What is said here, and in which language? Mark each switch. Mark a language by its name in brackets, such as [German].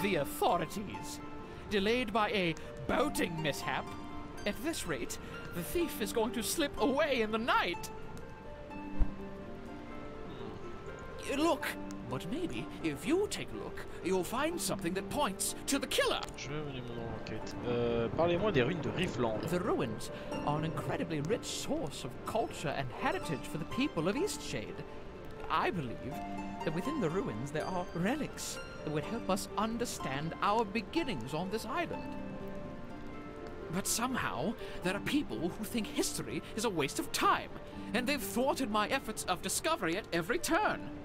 [English] And the authorities. Delayed by a boating mishap. At this rate, the thief is going to slip away in the night. Look, but maybe if you take a look, you'll find something that points to the killer. [French] Je vais mener mon enquête. Parlez-moi des ruines de Riftland. [English] The ruins are an incredibly rich source of culture and heritage for the people of Eastshade. I believe that within the ruins there are relics that would help us understand our beginnings on this island. But somehow, there are people who think history is a waste of time, and they've thwarted my efforts of discovery at every turn.